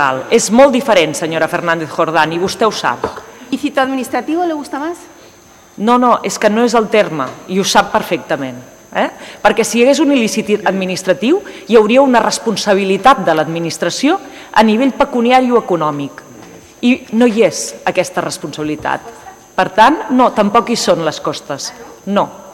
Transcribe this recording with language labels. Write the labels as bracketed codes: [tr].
[ca] És molt diferent, senyora Fernández Jordán, i vostè ho sap. [es] ¿Y cito administrativo le gusta más? [ca] No, és que no és el terme, i ho sap perfectament. Perquè si hi hagués un il·lícit administratiu, hi hauria una responsabilitat de l'administració a nivell pecuniari o econòmic. I no hi és aquesta responsabilitat. Per tant, no, tampoc hi són les costes. No.